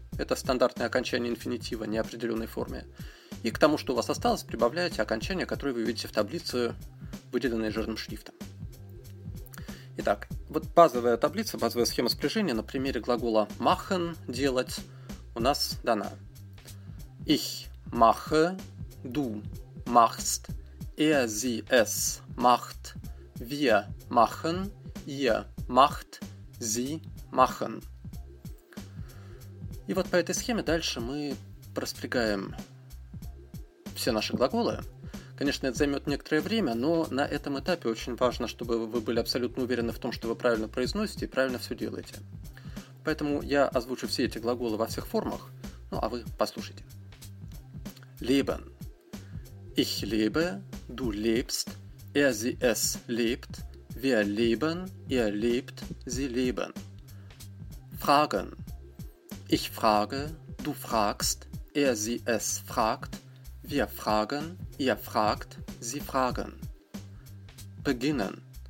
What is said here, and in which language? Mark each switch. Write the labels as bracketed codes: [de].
[ru] это стандартное окончание инфинитива неопределенной форме, и к тому, что у вас осталось, прибавляете окончание, которое вы видите в таблице, выделенное жирным шрифтом. Итак, вот базовая таблица, базовая схема спряжения на примере глагола machen – делать у нас дана. [de] Ich mache, du machst, er, sie, es macht, wir machen, ihr macht, sie machen. [ru] И вот по этой схеме дальше мы проспрягаем все наши глаголы. Конечно, это займет некоторое время, но на этом этапе очень важно, чтобы вы были абсолютно уверены в том, что вы правильно произносите и правильно все делаете. Поэтому я озвучу все эти глаголы во всех формах, ну а вы послушайте. [de] Leben. Ich lebe, du lebst, er, sie, es lebt, wir leben, ihr lebt, sie leben. Fragen. Ich frage, du fragst, er, sie, es fragt, wir fragen, ihr fragt, sie fragen. Beginnen.